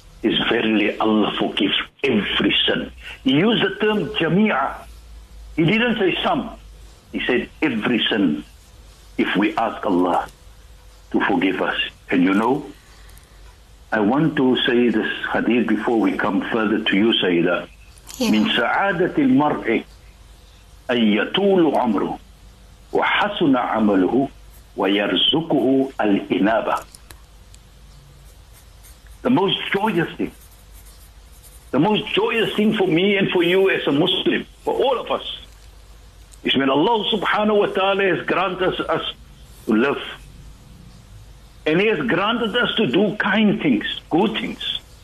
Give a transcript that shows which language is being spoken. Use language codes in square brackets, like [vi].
[en] Is verily Allah forgives every sin. He used the term jami'a. He didn't say some. He said every sin. If we ask Allah to forgive us. And you know, I want to say this hadith before we come further to you, Sayyida. Yeah. [ar] Min sa'adatil mar'i. أن يطول عمره وحسن عمله ويرزقه الإنابة. [en] The most joyous thing for me and for you as a Muslim, for all of us, is when Allah subhanahu wa ta'ala has granted us to live. And He has granted us to do kind things, good things.